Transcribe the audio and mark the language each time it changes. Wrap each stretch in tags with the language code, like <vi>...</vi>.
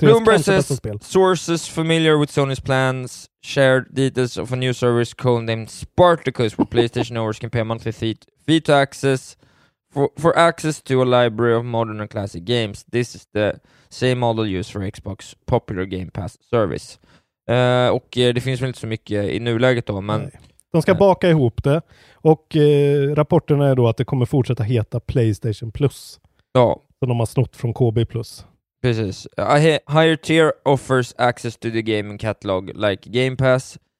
<en>Bloomberg says sources familiar with Sony's plans shared details of a new service codenamed Spartacus where PlayStation owners can pay a monthly fee to access for access to a library of modern and classic games. This is the same model used for Xbox popular Game Pass service.</en> <sv>Och det finns väl inte så mycket i nuläget då, men de ska baka ihop det. Och rapporterna är då att det kommer fortsätta heta PlayStation Plus. Ja. Som de har snott från KB Plus. Precis.</sv> <en>Higher tier offers access to the gaming catalog like Game Pass.</en>